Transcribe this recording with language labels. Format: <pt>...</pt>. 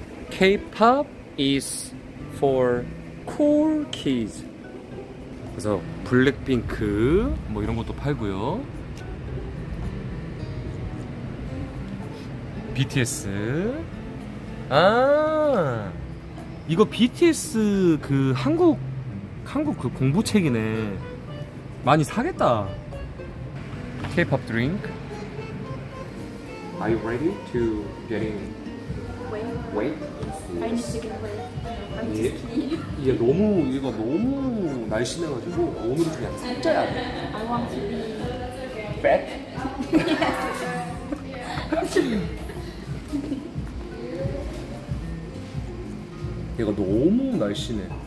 <en>케이팝 is for cool kids.</en> <ko>그래서 블랙핑크 뭐 이런 것도 팔고요. BTS. 아, 이거 BTS 그 한국 그 공부책이네. 많이 사겠다.</ko> <en>K-pop drink. Are you ready to getting weight? I need to get weight. I'm too skinny.</en> <ko>이게 너무 이거 너무 날씬해가지고 오늘은 그냥 살쪄야 돼.</ko> <en>I want to be fat. Yes.</en> <ko>얘가 너무 날씬해.</ko>